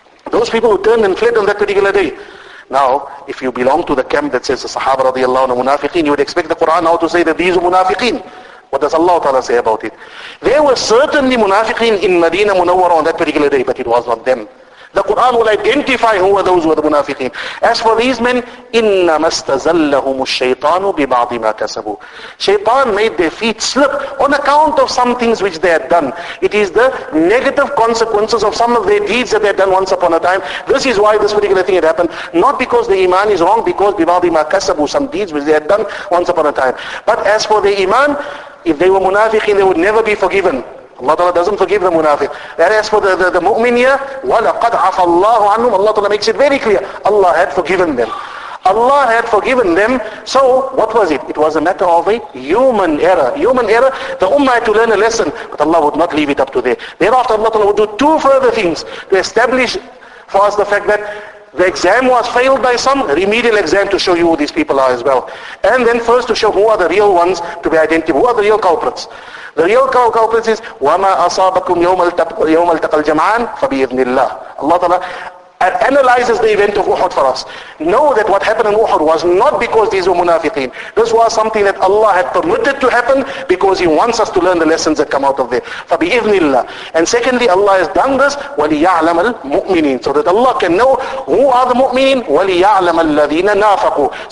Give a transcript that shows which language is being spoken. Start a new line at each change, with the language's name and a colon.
English: Those people who turned and fled on that particular day. Now, if you belong to the camp that says the Sahaba radiallahu anhu munafiqeen, you would expect the Quran now to say that these are munafiqeen. What does Allah Ta'ala say about it? There were certainly munafiqeen in Medina Munawwara on that particular day, but it was not them. The Quran will identify who are those who are the munafiqeen. As for these men,
Arabic: إِنَّ مَسْتَزَلَّهُمُ الشَّيْطَانُ بِبَعْضِ مَا كَسَبُوا.
English: Shaitan made their feet slip on account of some things which they had done. It is the negative consequences of some of their deeds that they had done once upon a time. This is why this particular thing had happened. Not because the iman is wrong, because
Arabic: بِبَعْضِ مَا كَسَبُوا,
English: some deeds which they had done once upon a time. But as for the iman, if they were munafiqeen, they would never be forgiven. Allah Ta'ala doesn't forgive the munafiq. And as for the mu'min here,
Arabic: وَلَقَدْ عَفَ اللَّهُ عَنْهُمْ.
English: Allah Ta'ala makes it very clear. Allah had forgiven them. Allah had forgiven them. So, what was it? It was a matter of a human error. Human error, the ummah had to learn a lesson, but Allah would not leave it up to there. Thereafter, Allah Ta'ala would do two further things to establish for us the fact that the exam was failed by some, remedial exam to show you who these people are as well. And then first to show who are the real ones to be identified, who are the real culprits. The real culprits is,
Arabic: وَمَا أَصَابَكُمْ يَوْمَ الْتَقَى الْجَمْعَانِ فَبِإِذْنِ اللَّهِ.
English: Allah Ta'ala analyzes the event of Uhud for us. Know that what happened in Uhud was not because these were munafiqeen. This was something that Allah had permitted to happen because He wants us to learn the lessons that come out of there.
Arabic: فَبِإِذْنِ اللَّهِ.
English: And secondly, Allah has done this,
Arabic: وَلِيَعْلَمَ الْمُؤْمِنِينَ.
English: So that Allah can know who are the mu'mineen,
Arabic: وَلِيَعْلَمَ الَّذِينَ نَافَقُوا.